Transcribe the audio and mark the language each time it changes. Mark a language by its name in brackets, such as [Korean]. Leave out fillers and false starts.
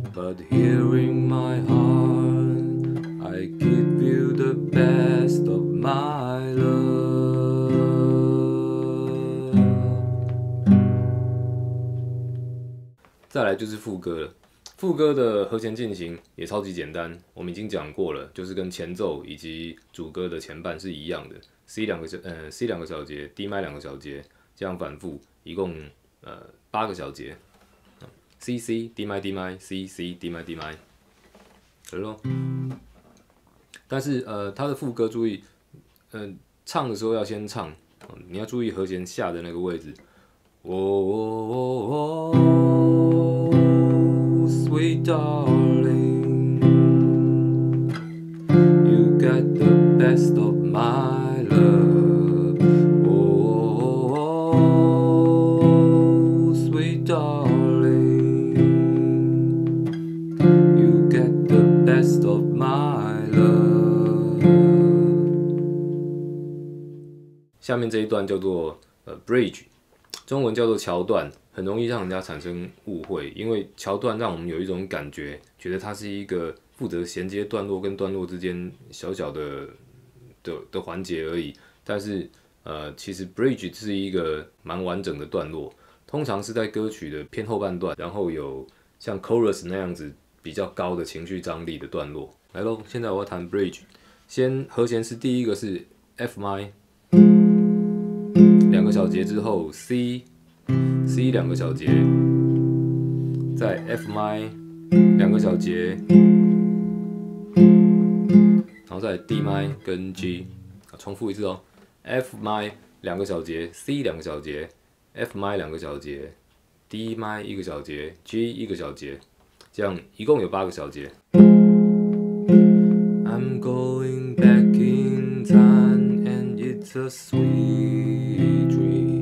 [English] But here in my heart, I give you the best of my love. [Chinese] 再来就是副歌了。副歌的和弦进行也超级简单，我们已经讲过了，就是跟前奏以及主歌的前半是一样的 ，C 两个小节 ，D mi 两个小节，这样反复，一共八个小节 ，C C D mi D mi C C D mi D mi， 得喽。但是他的副歌注意，唱的时候要先唱，你要注意和弦下的那个位置，哦哦哦哦。 [English] Sweet darling, you got the best of my love. Oh, sweet darling, you got the best of my love. [Chinese] 下面这一段叫做bridge， 中文叫做桥段。很容易让人家产生误会，因为桥段让我们有一种感觉，觉得它是一个负责衔接段落跟段落之间小小的环节而已。但是其实 bridge 是一个蛮完整的段落，通常是在歌曲的偏后半段，然后有像 chorus 那样子比较高的情绪张力的段落。来咯，现在我要弹 bridge， 先和弦是第一个是 F mi， 两个小节之后 C。 C 两个小节，再 F mi 两个小节，然后再 D mi 跟 G， 重复一次哦。 F mi 两个小节 ，C 两个小节 ，F mi 两个小节 ，D mi 一个小节 ，G 一个小节，这样一共有八个小节。 [English] I'm going back in time and it's a sweet dream.